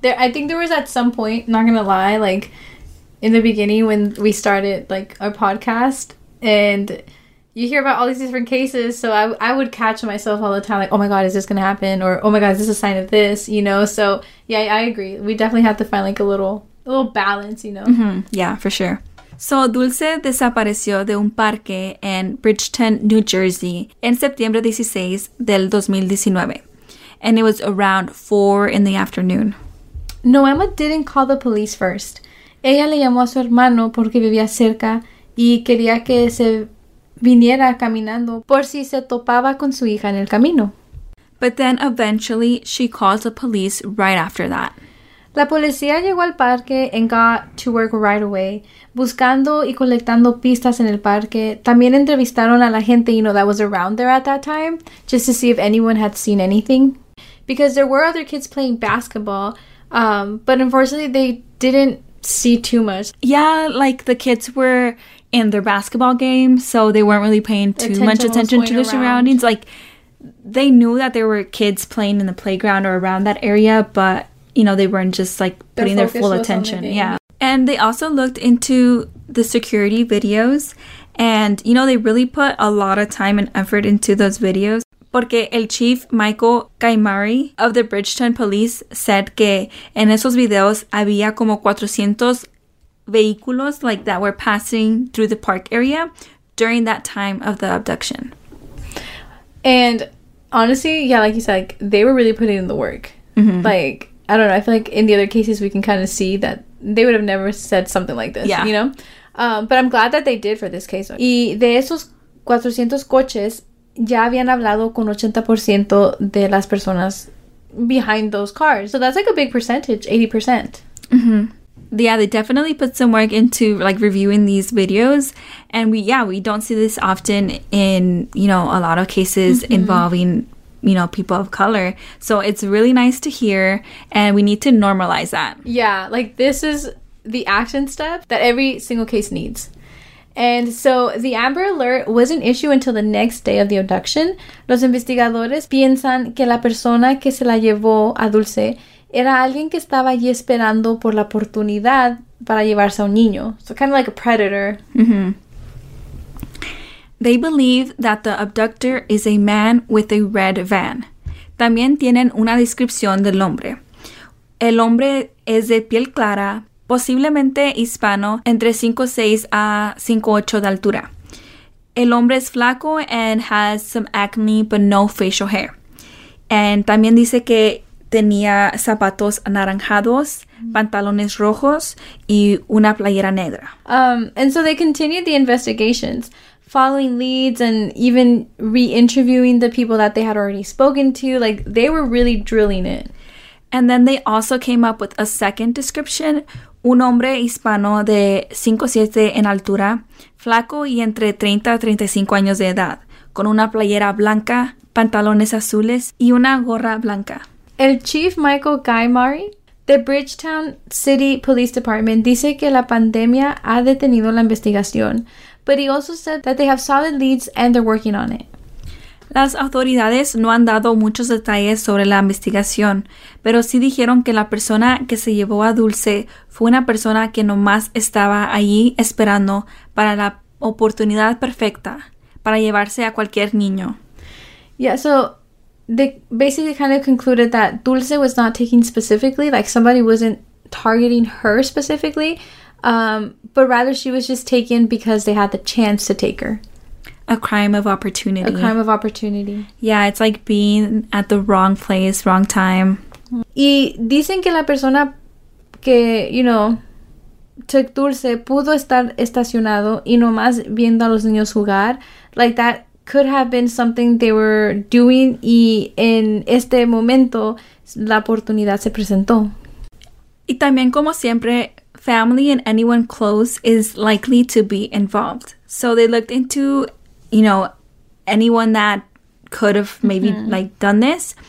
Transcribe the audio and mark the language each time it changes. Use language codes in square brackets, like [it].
[en] I think there was at some point, not going to lie, like, in the beginning when we started, like, our podcast, and you hear about all these different cases, so I would catch myself all the time, like, oh my god, is this going to happen? Or, oh my god, is this a sign of this? You know? So, yeah, I agree. We definitely have to find, like, a little balance, you know? Mm-hmm. Yeah, for sure. [es] So, Dulce desapareció de un parque in Bridgeton, New Jersey, en septiembre 16 del 2019. [en] And it was around 4 in the afternoon. Noema didn't call the police first. [es] Ella le llamó a su hermano porque vivía cerca y quería que se viniera caminando por si se topaba con su hija en el camino. [en] But then eventually she called the police right after that. [es] La policía llegó al parque [en] and got to work right away, [es] buscando y colectando pistas en el parque. También entrevistaron a la gente, [en] you know, that was around there at that time, just to see if anyone had seen anything. Because there were other kids playing basketball, but unfortunately they didn't see too much. Yeah, like the kids were in their basketball game, so they weren't really paying too much attention to their surroundings. Like, they knew that there were kids playing in the playground or around that area, but, you know, they weren't just, like, putting their full attention. Yeah. And they also looked into the security videos, and, you know, they really put a lot of time and effort into those videos. [es] Porque el [en] chief Michael Caimari of the Bridgeton Police said [es] que en esos videos había como 400 vehículos, [en] like, that were passing through the park area during that time of the abduction. And honestly, yeah, like you said, like, they were really putting in the work. Mm-hmm. Like, I don't know, I feel like in the other cases we can kind of see that they would have never said something like this, yeah. You know? But I'm glad that they did for this case. [es] Y de esos 400 coches, ya habían hablado con 80% de las personas [en] behind those cars. So that's, like, a big percentage, 80%. Mm-hmm. Yeah, they definitely put some work into, like, reviewing these videos. And we don't see this often in, you know, a lot of cases, mm-hmm. involving, you know, people of color. So it's really nice to hear, and we need to normalize that. Yeah, like, this is the action step that every single case needs. And so the Amber Alert wasn't issued until the next day of the abduction. [es] Los investigadores piensan que la persona que se la llevó a Dulce era alguien que estaba allí esperando por la oportunidad para llevarse a un niño. [en] So kind of like a predator. Mm-hmm. They believe that the abductor is a man with a red van. [es] También tienen una descripción del hombre. El hombre es de piel clara, posiblemente hispano, entre 5'6 a 5'8 de altura. El hombre es flaco [en] and has some acne but no facial hair. [es] And también dice que tenía zapatos anaranjados, pantalones rojos y una playera negra. [en] And so they continued the investigations, following leads and even re-interviewing the people that they had already spoken to. Like, they were really drilling it. And then they also came up with a second description. [es] Un hombre hispano de 5'7 en altura, flaco y entre 30 a 35 años de edad, con una playera blanca, pantalones azules y una gorra blanca. [en] El chief Michael Caimari, de Bridgeton City Police Department, [es] dice que la pandemia ha detenido la investigación, [en] but he also said that they have solid leads and they're working on it. [es] Las autoridades no han dado muchos detalles sobre la investigación, pero sí dijeron que la persona que se llevó a Dulce fue una persona que nomás estaba allí esperando para la oportunidad perfecta para llevarse a cualquier niño. [en] Yeah, so they basically kind of concluded that Dulce was not taking specifically, like somebody wasn't targeting her specifically, but rather she was just taken because they had the chance to take her. A crime of opportunity. A crime of opportunity. Yeah, it's like being at the wrong place, wrong time. [es] Y dicen que la persona que, [en] you know, took [es] Dulce pudo estar estacionado y nomás viendo a los niños jugar. [en] Like, that could have been something they were doing, [es] y en este momento la oportunidad se presentó. Y también, como siempre, [en] family and anyone close is likely to be involved. So they looked into, you know, anyone that could have maybe, mm-hmm. like, done this.